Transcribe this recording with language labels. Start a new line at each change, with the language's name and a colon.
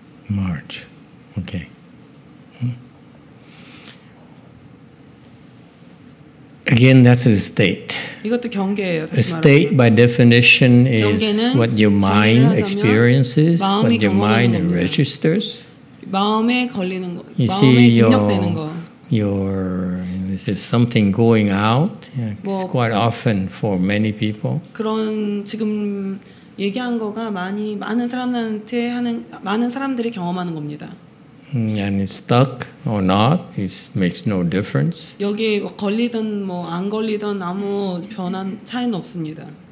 English: March, okay. Again, that's a state.
Korean: 이것도 경계예요.
English: A state, by definition, is what your mind experiences, what your mind registers.
Korean: 마음에 걸리는 거, 마음에 입력되는 거.
English: This is something going out. Yeah, 뭐, it's quite often for many people.
Korean: 그런 지금 얘기한 거가 많은 사람들한테 하는 많은 사람들이 경험하는 겁니다.
English: And it's stuck or not, it makes no difference.
Korean: 여기 걸리든 뭐 안 걸리든 아무 변한 차이는 없습니다.